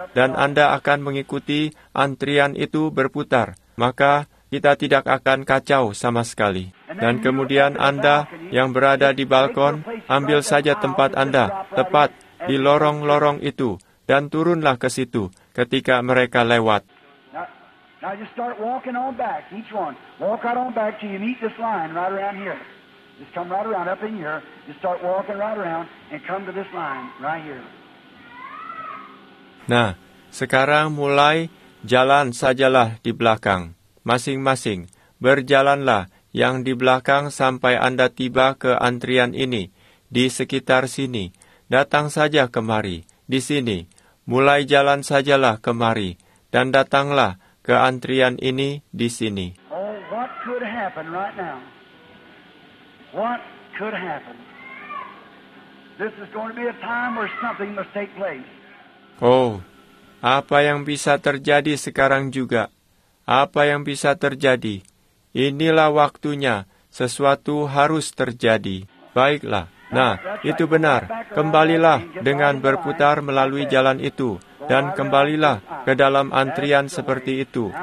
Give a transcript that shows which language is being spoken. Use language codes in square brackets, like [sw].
[id] Dan Anda akan mengikuti antrian itu berputar. Maka kita tidak akan kacau sama sekali. Dan kemudian Anda yang berada di balkon, ambil saja tempat Anda, tepat di lorong-lorong itu, dan turunlah ke situ ketika mereka lewat. [en] Now just start walking on back, each one. Walk out on back till you meet this line right around here. Just come right around, up in here. Just start walking right around and come to this line right here. [id] Nah, sekarang mulai jalan sajalah di belakang. Masing-masing, berjalanlah yang di belakang sampai Anda tiba ke antrian ini, di sekitar sini. Datang saja kemari, di sini. Mulai jalan sajalah kemari, dan datanglah ke antrian ini, di sini. [en] Oh, what could happen right now? What could happen? This is going to be a time where something must take place. [id] Oh, apa yang bisa terjadi sekarang juga? Apa yang bisa terjadi? Inilah waktunya, sesuatu harus terjadi. Baiklah, nah, itu benar. Kembalilah dengan berputar melalui jalan itu, dan kembalilah ke dalam antrian seperti itu.